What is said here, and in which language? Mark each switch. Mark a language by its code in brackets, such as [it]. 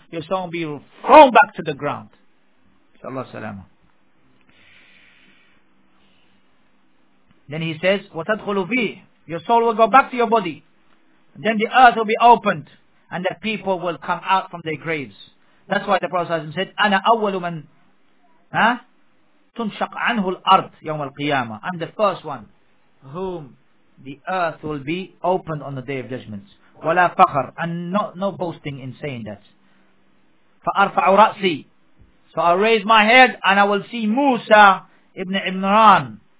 [en] Your soul will be thrown back to the ground. Inshallah salama. Then he says, [ar] وَتَدْخُلُ فِيهِ. [en] Your soul will go back to your body. Then the earth will be opened, and the people will come out from their graves. That's why the Prophet said, [ar] أَنَا أَوَّلُ مَنْ تُنْشَقْ عَنْهُ الْأَرْضِ يَوْمَ الْقِيَامَةِ. [en] I'm the first one whom the earth will be opened on the Day of Judgment. [ar] وَلَا فَخَرْ. [en] And no boasting in saying that. [ar] فَأَرْفَعُ رَأْسِي. [en] So I'll raise my head, and I will see Musa ibn Imran.